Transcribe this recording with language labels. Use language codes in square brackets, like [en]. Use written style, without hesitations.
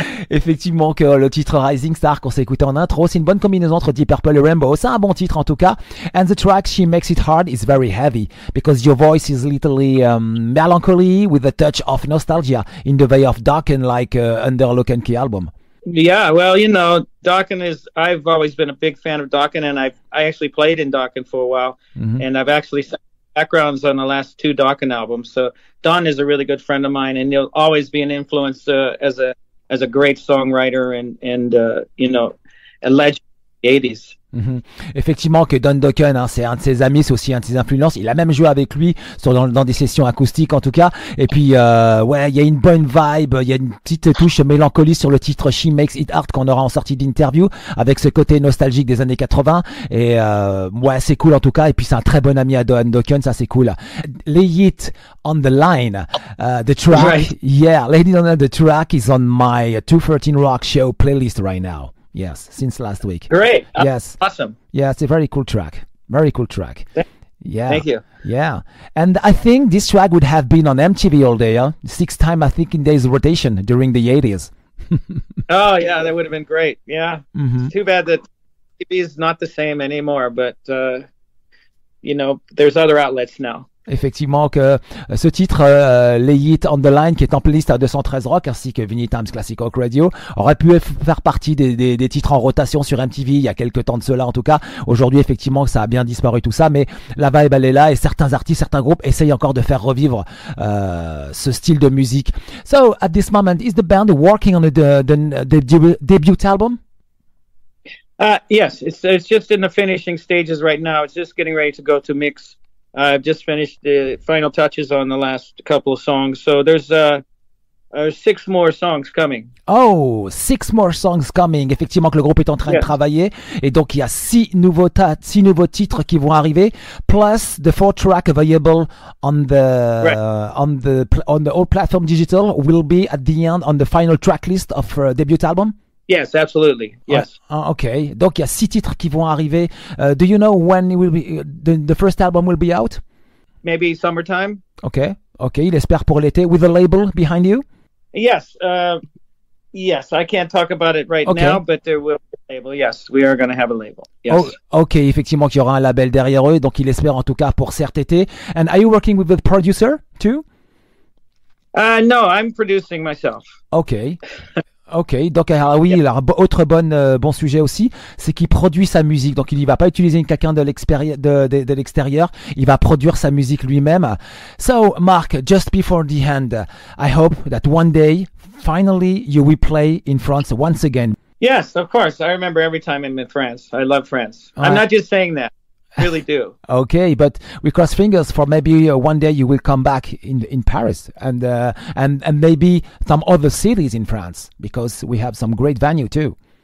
[fr] Effectivement, que le titre Rising Star qu'on s'est écouté en intro, c'est une bonne combinaison entre Deep Purple et Rainbow. C'est un bon titre en tout cas. [en] And the track She Makes It Hard is very heavy because your voice is literally melancholy with a touch of nostalgia in the way of Dokken, like Under Lock and Key album. Yeah, well, you know, Dokken is, I've always been a big fan of Dokken, and I actually played in Dokken for a while, and I've actually backgrounds on the last two Dokken albums. So Don is a really good friend of mine, and he'll always be an influence as a great songwriter and a legend in the 80s. [fr] Effectivement, que Don Dokken, hein, c'est un de ses amis, c'est aussi un de ses influences. Il a même joué avec lui dans des sessions acoustiques, en tout cas. Et puis, ouais, il y a une bonne vibe, il y a une petite touche mélancolique sur le titre She Makes It Hard qu'on aura en sortie d'interview, avec ce côté nostalgique des années 80. Et ouais, c'est cool en tout cas. Et puis, c'est un très bon ami à Don Dokken, ça c'est cool. [en] Lay It on the Line, the track. Right. Yeah, Lay It on the Line, the track is on my 213 Rock Show playlist right now. Yes, since last week. Great. Yes. Awesome. Yeah, it's a very cool track. Very cool track. Yeah. Thank you. Yeah. And I think this track would have been on MTV all day, six times, I think, in days of rotation during the 80s. Oh, yeah, that would have been great. Yeah. Mm-hmm. Too bad that TV is not the same anymore, but, there's other outlets now. [fr] Effectivement, que ce titre Lay It on the Line, qui est en playlist à 213 Rock ainsi que Vinylestimes Classic Rock Radio, aurait pu faire partie des titres en rotation sur MTV il y a quelques temps de cela. En tout cas, aujourd'hui, effectivement, ça a bien disparu tout ça, mais la vibe elle est là, et certains artistes, certains groupes essayent encore de faire revivre ce style de musique. [en] So at this moment, is the band working on the debut album? Yes, it's just in the finishing stages right now. It's just getting ready to go to mix. I've just finished the final touches on the last couple of songs. So there's six more songs coming. Oh, six more songs coming. [fr] Effectivement, que le groupe est en train de travailler. Et donc, il y a six nouveaux titres qui vont arriver. [en] Plus the four track available on the old platform digital will be at the end on the final track list of her debut album. Yes, absolutely. Yes. Okay. [fr] Donc il y a six titres qui vont arriver. [en] Do you know when it will be the first album will be out? Maybe summertime. Okay. Okay. [fr] Il espère pour l'été, [en] with a label behind you. Yes. Yes. I can't talk about it right now, but there will be a label. Yes, we are going to have a label. Yes. Oh, okay. [fr] Effectivement, qu'il y aura un label derrière eux. Donc il espère en tout cas pour cet été. [en] And are you working with the producer too? No, I'm producing myself. Okay. [fr] Ok, donc autre bon sujet aussi, c'est qu'il produit sa musique. Donc il ne va pas utiliser quelqu'un de l'extérieur, il va produire sa musique lui-même. [en] So Mark, just before the end, I hope that one day, finally, you will play in France once again. Yes, of course, I remember every time I'm in France, I love France. Ouais. I'm not just saying that, I really do. Ok, but we cross fingers for maybe one day you will come back in Paris and maybe some other cities in France, because we have some great venue too.